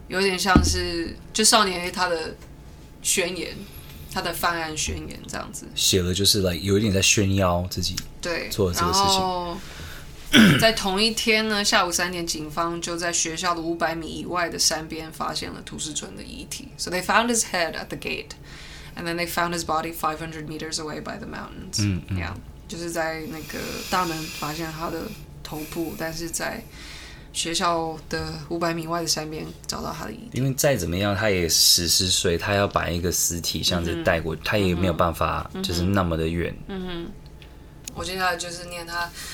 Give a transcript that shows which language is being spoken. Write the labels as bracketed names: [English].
[Chinese] 有点像是就少年 A 他的宣言，他的犯案宣言这样子，写了就是 like 有一点在炫耀自己对做了这个事情。在同一天呢，下午3点，警方就在学校的500米以外的山边发现了土司纯的遗体。 [English] So they found his head at the gate, and then they found his body 500 meters away by the mountains. [Chinese] 嗯, 嗯，Yeah， 就是在那个大门发现他的头部，但是在学校的500米外的山边找到他的遗体。因为再怎么样，他也10岁，他要把一个尸体这样子带过、嗯，他也没有办法，就是那么的远。嗯哼，我接下来就是念他。